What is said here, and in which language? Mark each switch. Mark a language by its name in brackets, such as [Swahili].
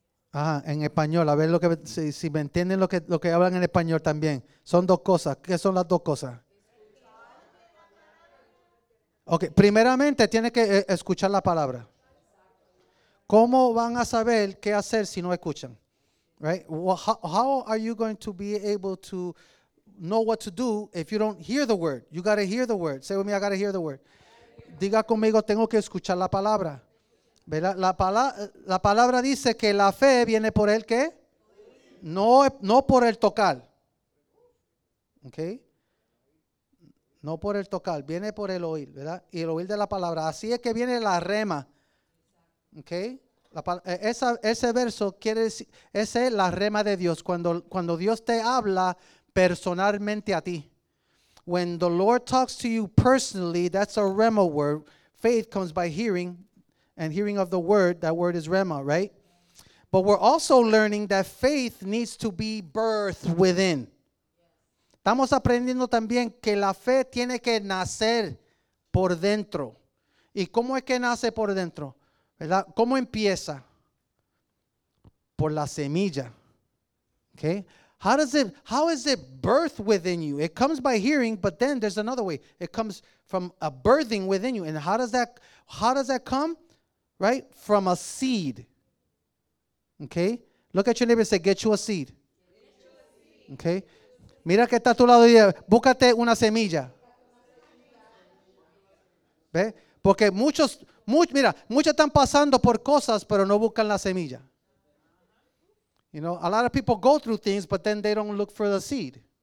[Spanish] Ajá, en español. A ver lo que si me entienden lo que hablan en español también. Son dos cosas. ¿Qué son las dos cosas? Ok, primeramente tiene que escuchar la palabra. ¿Cómo van a saber qué hacer si no escuchan? [English] Right? Well, how are you going to be able to know what to do if you don't hear the word? You got to hear the word. Say with me, I got to hear the word. [Spanish] Diga conmigo, tengo que escuchar la palabra. ¿Verdad? La palabra dice que la fe viene por el qué? No por el tocar. Okay? No por el tocar, viene por el oír, ¿verdad? Y el oír de la palabra. Así es que viene la rema. Okay? Ese verso quiere decir, esa es la rema de Dios. Cuando Dios te habla personalmente a ti. [English] When the Lord talks to you personally, that's a rema word. Faith comes by hearing, and hearing of the word, that word is rema, right? But we're also learning that faith needs to be birthed within. [Spanish] Estamos aprendiendo también que la fe tiene que nacer por dentro. ¿Y cómo es que nace por dentro? ¿Verdad? ¿Cómo empieza? Por la semilla. Okay? [English] How is it birthed within you? It comes by hearing, but then there's another way. It comes from a birthing within you. And how does that come? Right? From a seed. Okay? Look at your neighbor and say, get you a seed. Okay? [Spanish] Mira que está a tu lado y búscate una semilla. ¿Ve? Porque muchos están pasando por cosas, pero no buscan la semilla. [English] You know, a lot of people go through things, but then they don't look for the seed.